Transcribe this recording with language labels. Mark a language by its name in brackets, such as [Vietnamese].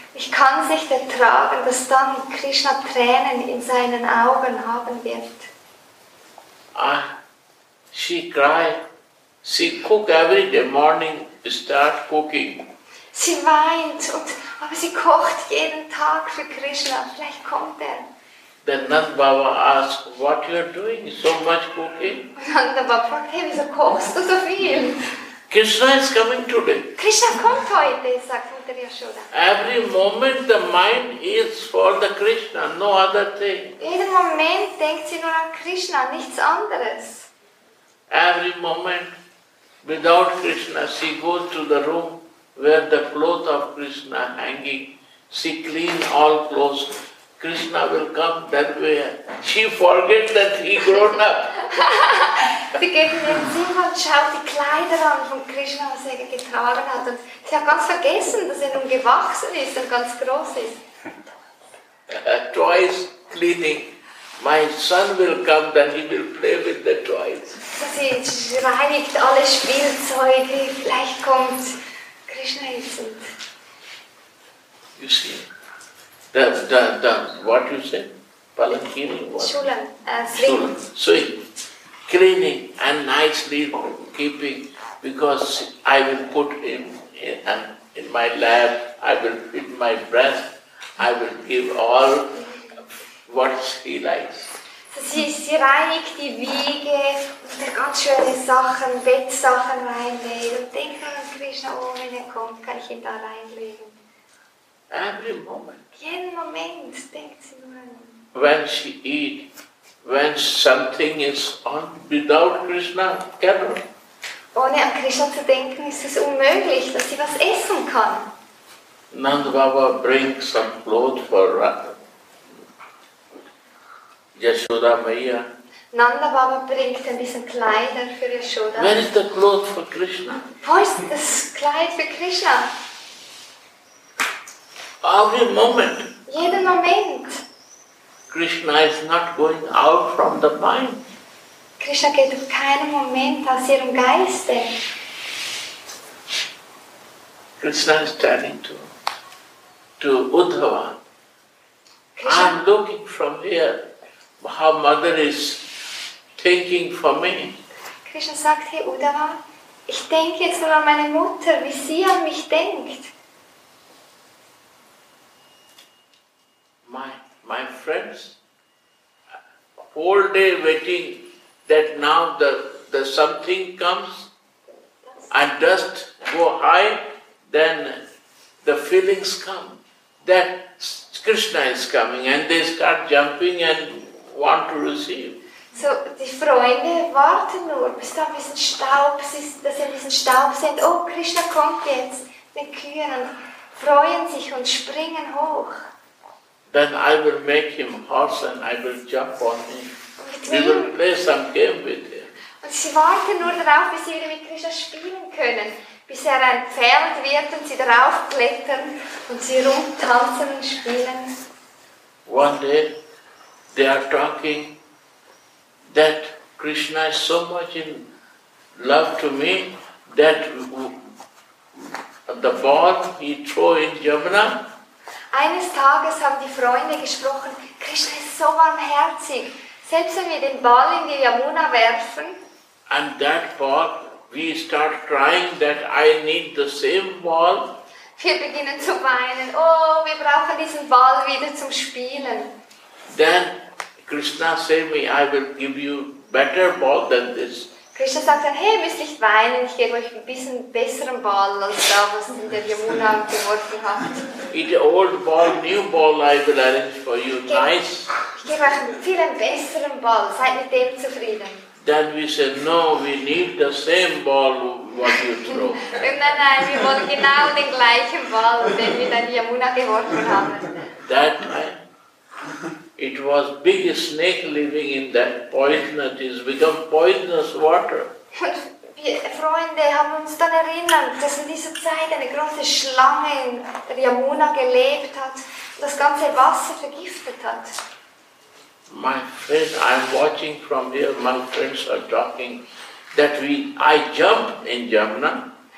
[German] Ich kann es nicht ertragen, dass dann Krishna Tränen in seinen Augen haben wird. [English] Ah, she cried. She cook every day morning, start cooking. [German] Sie weint, aber sie kocht jeden Tag für Krishna. Vielleicht kommt er. [English] Then Nanda Baba asked, what you are doing? So much cooking? [German] Nanda Baba fragt, hey, wieso kochst du so viel? [English] Krishna is coming today. [German] Krishna kommt heute, sagt Mutter Yashoda. [English] Every moment the mind is for the Krishna, no other thing. [German] Jeden Moment denkt sie nur an Krishna, nichts anderes. [English] Every moment without Krishna, she goes to the room where the clothes of Krishna hanging. She cleans all clothes. Krishna will come that way. She forgets that he grown up. [German] Sie geht in den Zimmer und schaut die Kleider an von Krishna, was er getragen hat. Und sie hat ganz vergessen, dass er nun gewachsen ist und ganz groß ist. [English] Toys cleaning. My son will come, then he will play with the toys. [German] Sie reinigt alle Spielzeuge. Vielleicht kommt Krishna hilfend. [English] You see? The what you say? Palankini? Shulam. Sling. Sling. Cleaning and nicely keeping because I will put him in my lab, I will feed my breath, I will give all what he likes. [German] So sie reinigt die Wiege und ganz schöne Sachen, Bettsachen reinlegt und denkt an Krishna, oh, wenn er kommt, kann ich ihn da reinlegen. [English] Every moment. [German] Jeden Moment denkt sie nur. [English] When she eat, when something is on without Krishna, cannot. [German] Ohne an Krishna zu denken, ist es unmöglich, dass sie was essen kann. [English] Nand Baba brings some clothes for Yashoda Maya. [German] Nanda Baba bringt ein bisschen Kleider für Yashoda. [English] Where is the cloth for Krishna? [German] Wo ist das Kleid für Krishna? [English] Every moment. [German] Jeden Moment. [English] Krishna is not going out from the mind. [German] Krishna geht auf keinen Moment aus ihrem Geiste. [English] Krishna is turning to Uddhava. Krishna. I'm looking from here. How mother is thinking for me. [German] Krishna sagt, hey Uddhava, ich denke jetzt nur an meine Mutter, wie sie an mich denkt. [English] My friends, whole day waiting that now the something comes and dust go high, then the feelings come that Krishna is coming and they start jumping and want to receive. [German] So, die Freunde warten nur, bis da ein bisschen Staub ist, dass sie ein bisschen Staub sind. Oh, Krishna kommt jetzt. Die Kühe freuen sich und springen hoch. [English] Then I will make him horse and I will jump on him. We will play some game with him. [German] Und sie warten nur darauf, bis sie wieder mit Krishna spielen können. Bis er ein Pferd wird und sie darauf klettern und sie rumtanzen und spielen. [English] One day, they are talking that Krishna is so much in love to me that the ball he throw in Yamuna. [German] Eines Tages haben die Freunde gesprochen, Krishna ist so warmherzig, selbst wenn wir den Ball in die Yamuna werfen. [English] And that ball, we start crying that I need the same ball. [German] Wir beginnen zu weinen, oh, wir brauchen diesen Ball wieder zum Spielen. [English] Then Krishna say me, I will give you better ball than this. [German] Krishna sagt dann, hey, müsst nicht weinen, ich gebe euch ein bisschen besseren Ball als da, was in der Yamuna geworfen hat. [English] It's an old ball, new ball I will arrange for you, nice. [German] Ich gebe euch einen viel besseren Ball, seid mit dem zufrieden. [English] Then we said, no, we need the same ball what you throw. [German] Nein, wir wollen genau den gleichen Ball, den wir in der Yamuna geworfen haben. [English] That time. It was big snake living in that poisonous, it's become poisonous water. [German] Wir Freunde haben uns dann erinnert, dass in dieser Zeit eine große Schlange in der Yamuna gelebt hat, das ganze Wasser vergiftet hat. [English] My friend, I'm watching from here, my friends are talking, that I jump in Yamuna.